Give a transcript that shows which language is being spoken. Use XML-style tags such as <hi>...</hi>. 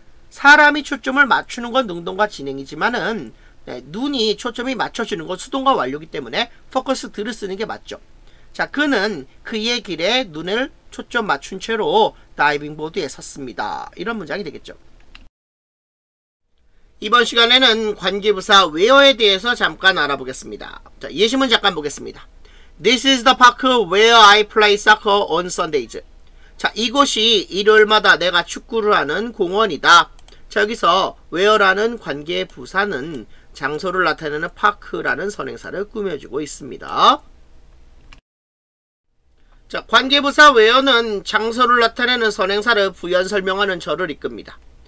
<ko>사람이 초점을 맞추는 건 능동과 진행이지만은 네, 눈이 초점이 맞춰지는 건 수동과 완료이기 때문에 focused를 쓰는 게 맞죠. 자, 그는 그의 길에 눈을 초점 맞춘 채로 다이빙보드에 섰습니다. 이런 문장이 되겠죠. 이번 시간에는 관계부사 where에 대해서 잠깐 알아보겠습니다. 자, 예시문 잠깐 보겠습니다.</ko> <en>This is the park where I play soccer on Sundays.</en> <ko>자, 이곳이 일요일마다 내가 축구를 하는 공원이다. 자, 여기서 where라는 관계부사는 장소를 나타내는 park라는 선행사를 꾸며주고 있습니다. 자, 관계부사 where는 장소를 나타내는 선행사를 부연 설명하는 절을 이끕니다.</ko>